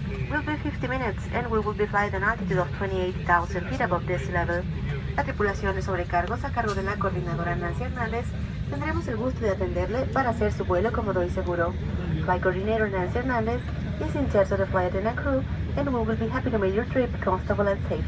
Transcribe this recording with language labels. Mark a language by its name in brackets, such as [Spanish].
[English] We'll be 50 minutes and we will be flying an altitude of 28,000 feet above this level. [Spanish] La tripulación de sobrecargos a cargo de la coordinadora Nancy Hernández. Tendremos el gusto de atenderle para hacer su vuelo cómodo y seguro. [English] Flight coordinator Nancy Hernandez is in charge of the flight and crew, and we will be happy to make your trip comfortable and safe.